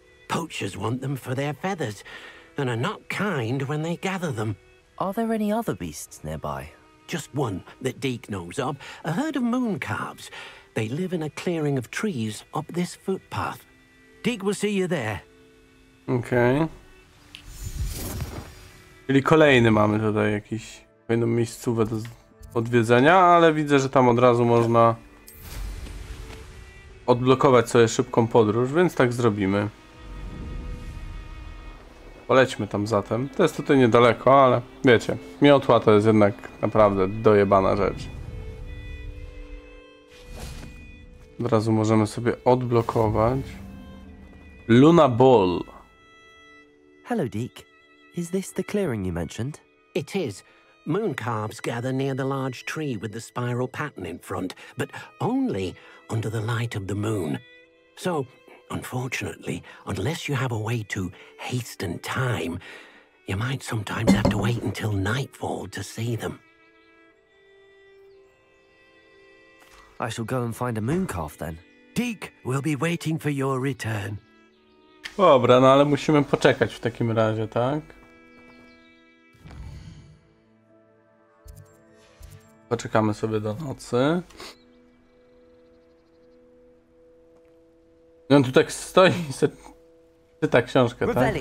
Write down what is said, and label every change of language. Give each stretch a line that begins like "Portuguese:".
English: Poachers want them for their feathers, and are not kind when they gather them. Are there any other beasts nearby? Just one that Deke knows of, a herd of moon calves. They live in a clearing of trees up this footpath. Deke will see you there. Okay.
Polish: Czyli kolejny mamy tutaj jakiś fajną miejscówę do odwiedzenia, ale widzę, że tam od razu można odblokować sobie szybką podróż, więc tak zrobimy. Polećmy tam zatem. To jest tutaj niedaleko, ale wiecie, miotła to jest jednak naprawdę dojebana rzecz. Od razu możemy sobie odblokować.
English: Luna Ball. Hello, Deke. Is this the clearing you mentioned? It is. Moon calves gather near the large tree with the spiral pattern in front, but only under the light of the moon. So. Unfortunately, unless you have a way to hasten time, you might sometimes have to wait until nightfall to see them. I shall go and find a moon calf then. Deke will be waiting for your return.
Polish: Dobra, no ale musimy poczekać w takim razie, tak? Poczekamy sobie do nocy. I on tu tak stoi i czyta książkę, tak?